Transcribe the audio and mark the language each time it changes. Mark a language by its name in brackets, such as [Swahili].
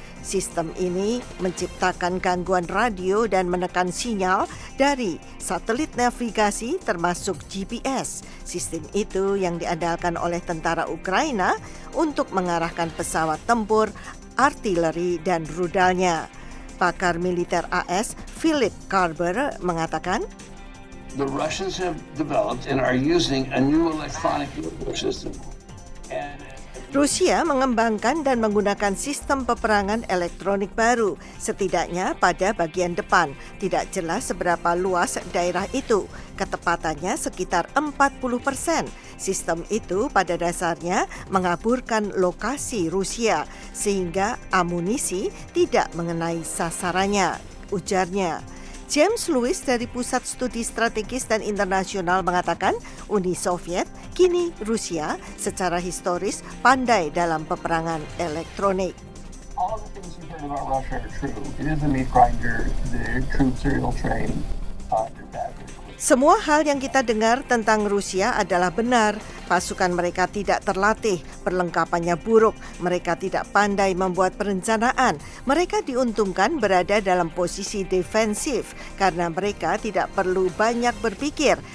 [Indonesian] Sistem ini menciptakan gangguan radio dan menekan sinyal dari satelit navigasi termasuk GPS. Sistem itu yang diandalkan oleh tentara Ukraina untuk mengarahkan pesawat tempur, artileri, dan rudalnya. Pakar militer AS Philip Carver mengatakan, [English] "The Russians have developed and are using a new electronic warfare system." [Indonesian] Rusia mengembangkan dan menggunakan sistem peperangan elektronik baru, setidaknya pada bagian depan. Tidak jelas seberapa luas daerah itu. Ketepatannya sekitar 40%. Sistem itu pada dasarnya mengaburkan lokasi Rusia, sehingga amunisi tidak mengenai sasarannya, ujarnya. James Lewis dari Pusat Studi Strategis dan Internasional mengatakan, Uni Soviet, kini Rusia, secara historis pandai dalam peperangan elektronik. [English] All the things you've heard about Russia are true. It is a meat grinder, the troops are ill-trained, they're bad. [Indonesian] Semua hal yang kita dengar tentang Rusia adalah benar. Pasukan mereka tidak terlatih, perlengkapannya buruk, mereka tidak pandai membuat perencanaan. Mereka diuntungkan berada dalam posisi defensif karena mereka tidak perlu banyak berpikir.